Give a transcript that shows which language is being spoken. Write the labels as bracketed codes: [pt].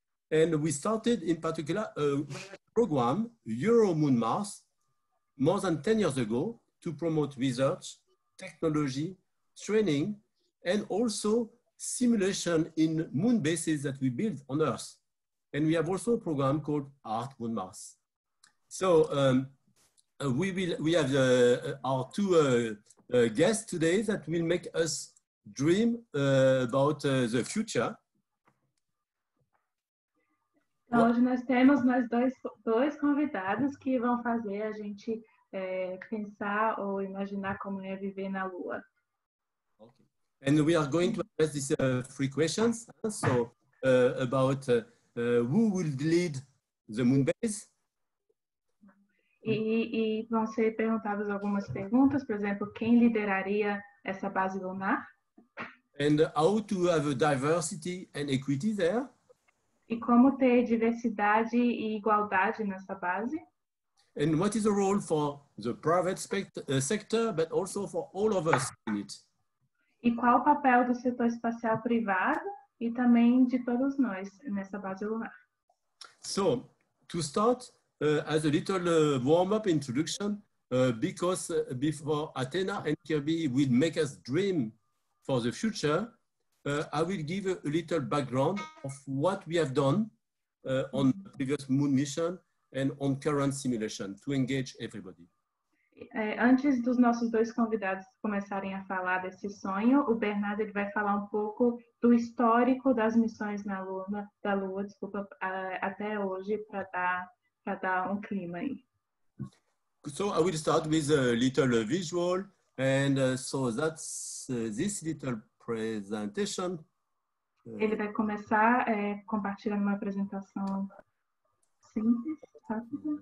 [en] And we started in particular a program, Euro Moon Mars, more than 10 years ago to promote research, technology, training, and also simulation in moon bases that we build on Earth. And we have also a program called Art Moon Mars. So we have our two guests today that will make us dream about the future. [pt] Então, hoje nós temos mais dois convidados que vão fazer a gente pensar ou imaginar como é viver na Lua. [en] Okay. And we are going to address these three questions. So, about who will lead the moon base. [pt] E vão ser perguntadas algumas perguntas, por exemplo, quem lideraria essa base lunar? [en] And how to have a diversity and equity there. [pt] E como ter diversidade e igualdade nessa base? [en] And what is the role for the private sector, but also for all of us in it? [pt] E qual o papel do setor espacial privado e também de todos nós nessa base lunar? [en] So, to start, as a little warm-up introduction, because before Athena and Kirby will make us dream for the future, I will give a little background of what we have done on the previous moon mission and on current simulation to engage everybody. [pt] Antes dos nossos dois convidados começarem a falar desse sonho, o Bernardo ele vai falar um pouco do histórico das missões na Lua, da Lua, desculpa, até hoje, para dar um clima aí. [en] So I will start with a little visual, and so that's this little presentation. [pt] Ele vai começar compartilhando uma apresentação simples, rápida.